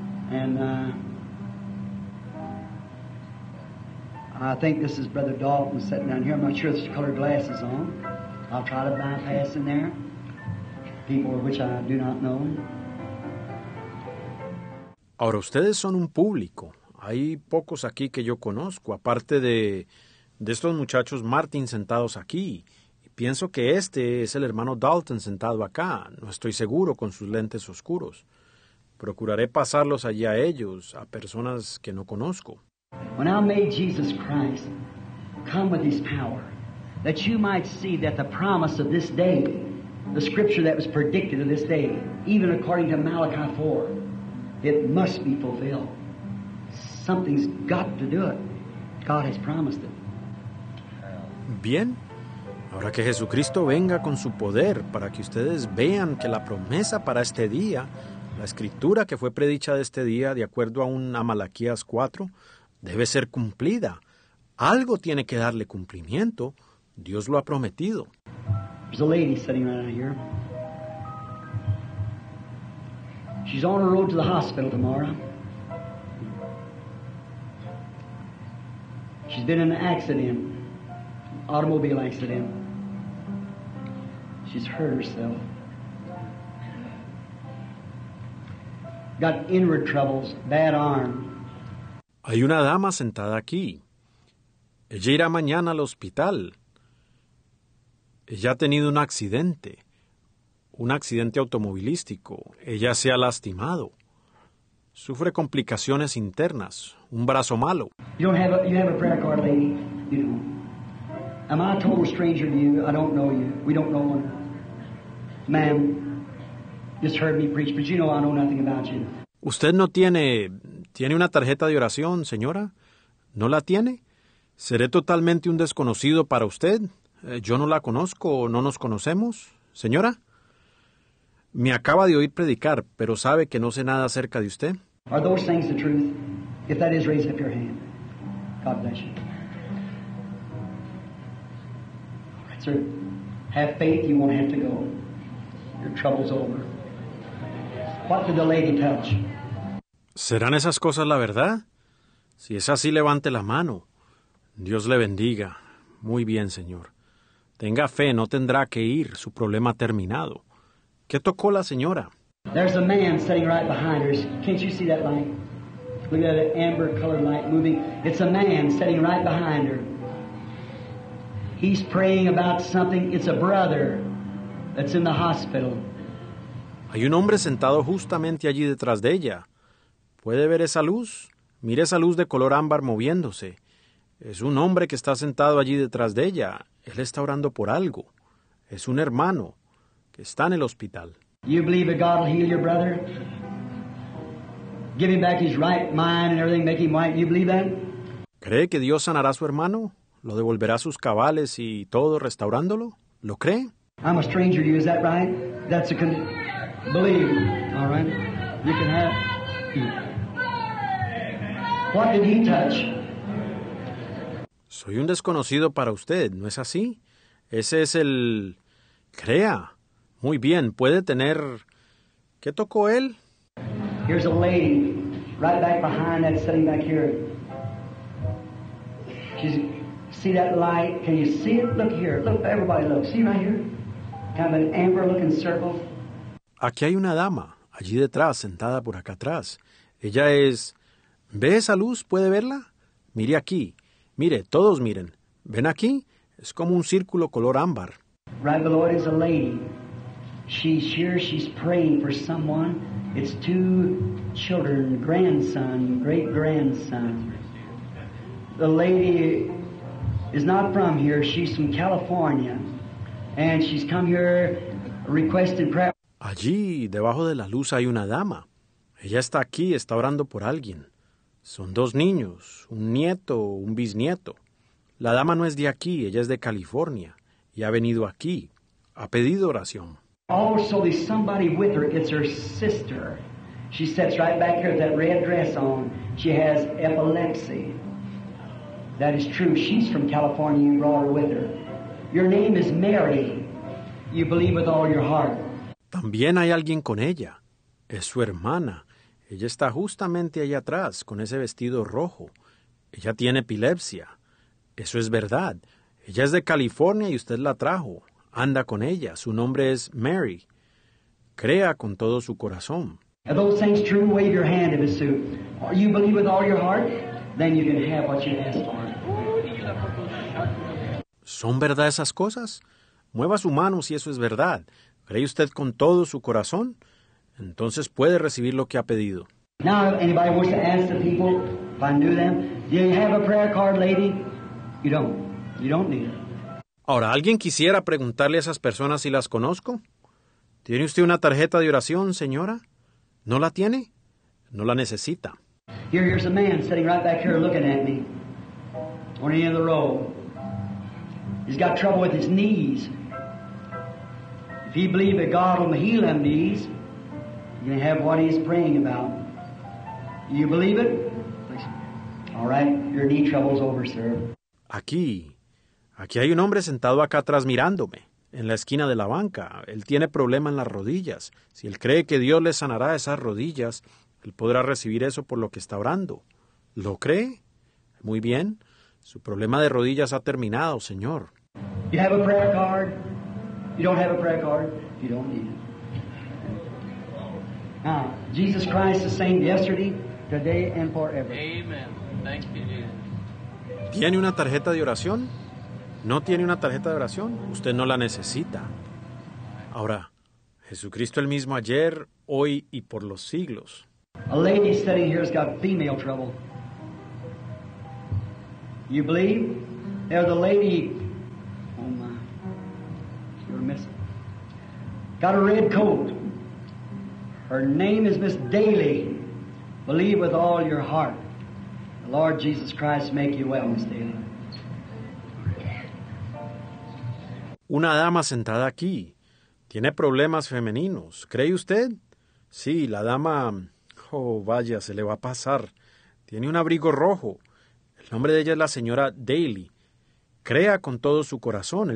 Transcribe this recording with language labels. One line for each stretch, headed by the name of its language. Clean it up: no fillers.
English: And I think this is Brother Dalton sitting down here. I'm not sure if there's colored glasses on. I'll try to bypass in there. People which I do not know.
Spanish: Ahora, ustedes son un público. Hay pocos aquí que yo conozco, aparte de estos muchachos Martin sentados aquí. Y pienso que este es el hermano Dalton sentado acá. No estoy seguro con sus lentes oscuros. Procuraré pasarlos allí a ellos, a personas que no conozco.
English: When I made Jesus Christ come with his power, that you might see that the promise of this day, the scripture that was predicted of this day, even according to Malachi 4, it must be fulfilled. Something's got to do it. God has promised it.
Spanish: Bien, ahora que Jesucristo venga con su poder para que ustedes vean que la promesa para este día, la escritura que fue predicha de este día de acuerdo a Malaquías 4, debe ser cumplida. Algo tiene que darle cumplimiento. Dios lo ha prometido.
English: There's a lady sitting right out here. She's on her road to the hospital tomorrow. She's been in an accident, automobile accident. She's hurt herself. Got inward troubles, bad arm.
Spanish: Hay una dama sentada aquí. Ella irá mañana al hospital. Ella ha tenido un accidente automovilístico. Ella se ha lastimado. Sufre complicaciones internas, un brazo malo.
English: You don't have a prayer card, lady. You don't. Am I a total stranger to you? I don't know you. We don't know one. Ma'am, just heard me preach, but you know I know nothing about you.
Spanish: ¿Usted no tiene... ¿Tiene una tarjeta de oración, señora? ¿No la tiene? ¿Seré totalmente un desconocido para usted? ¿Yo no la conozco o no nos conocemos? ¿Señora? Me acaba de oír predicar, pero sabe que no sé nada acerca de usted.
English: Are those things the truth? If that is, raise up your hand. God bless you. All right, sir. Have faith, you won't have to go. Your trouble's over. What did the lady tell you?
Spanish: ¿Serán esas cosas la verdad? Si es así, levante la mano. Dios le bendiga. Muy bien, señor. Tenga fe, no tendrá que ir. Su problema ha terminado. ¿Qué tocó la señora?
English: There's a man sitting right behind her. Can't you see that light? Look at that amber colored light moving. It's a man sitting right behind her. He's praying about something. It's a brother that's in the hospital.
Spanish: Hay un hombre sentado justamente allí detrás de ella. ¿Puede ver esa luz? Mire esa luz de color ámbar moviéndose. Es un hombre que está sentado allí detrás de ella. Él está orando por algo. Es un hermano que está en el hospital.
English: You believe that God will heal your brother? Give him back his right mind and everything, make him white. You believe that?
Spanish: ¿Cree que Dios sanará a su hermano? ¿Lo devolverá sus cabales y todo restaurándolo? ¿Lo cree?
English: I'm a stranger to you, is that right? That's a con... Believe. All right. You can have... What did he touch?
Spanish: Soy un desconocido para usted, ¿no es así? Ese es el... Crea. Muy bien, puede tener... ¿Qué tocó él?
English: Here's a lady, right back behind that, sitting back here. She's... See that light? Can you see it? Look here. Look, everybody look. See right here? Kind of an amber-looking circle.
Spanish: Aquí hay una dama, allí detrás, sentada por acá atrás. Ella es... ¿Ve esa luz? ¿Puede verla? Mire aquí. Mire, todos miren. ¿Ven aquí? Es como un círculo color ámbar.
English: Right below it is a lady. She's here, she's praying for someone. It's two children, grandson, great-grandson. The lady is not from here. She's from California. And she's come here requesting prayer.
Spanish: Allí, debajo de la luz, hay una dama. Ella está aquí, está orando por alguien. Son dos niños, un nieto, un bisnieto. La dama no es de aquí, ella es de California. Y ha venido aquí. Ha pedido oración.
English: Oh, so there's somebody with her. It's her sister. She sits right back here with that red dress on. She has epilepsy. That is true. She's from California. You brought her with her. Your name is Mary. You believe with all your heart.
Spanish: También hay alguien con ella. Es su hermana. Ella está justamente allá atrás, con ese vestido rojo. Ella tiene epilepsia. Eso es verdad. Ella es de California y usted la trajo. Anda con ella. Su nombre es Mary. Crea con todo su corazón.
English: Are those things true? Wave your hand if it's true. Or you believe with all your heart, then you can have what you ask for.
Spanish: ¿Son verdad esas cosas? Mueva su mano si eso es verdad. ¿Cree usted con todo su corazón? Entonces puede recibir lo que ha pedido.
English: Now, if anybody wants to ask the people, if I knew them, do you have a prayer card, lady? You don't. You don't need it.
Spanish: Ahora, ¿alguien quisiera preguntarle a esas personas si las conozco? ¿Tiene usted una tarjeta de oración, señora? ¿No la tiene? No la necesita.
English: Here's a man sitting right back here looking at me. On the end of the road. He's got trouble with his knees. If he believes that God will heal them knees, you can have what he's praying about. You believe it? All right, your knee trouble's over, sir.
Spanish: Aquí. Aquí hay un hombre sentado acá atrás mirándome, en la esquina de la banca. Él tiene problema en las rodillas. Si él cree que Dios le sanará esas rodillas, él podrá recibir eso por lo que está orando. ¿Lo cree? Muy bien. Su problema de rodillas ha terminado, señor.
English: You have a prayer card? You don't have a prayer card? You don't need it. Now, Jesus Christ is same yesterday, today and forever. Amen. Thank you, Jesus.
Spanish: ¿Tiene una tarjeta de oración? ¿No tiene una tarjeta de oración? Usted no la necesita. Ahora, Jesucristo el mismo ayer, hoy y por los siglos.
English: A lady sitting here has got female trouble. You believe? There's a lady. Oh my. You're missing. Got a red coat. Her name is Miss Daly. Believe with all your heart. The Lord Jesus Christ make you well, Miss Daly.
Spanish: Una dama sentada aquí. Tiene problemas femeninos. ¿Cree usted? Sí, la dama... Oh, vaya, se le va a pasar. Tiene un abrigo rojo. El nombre de ella es la señora Daly. Crea con todo su corazón.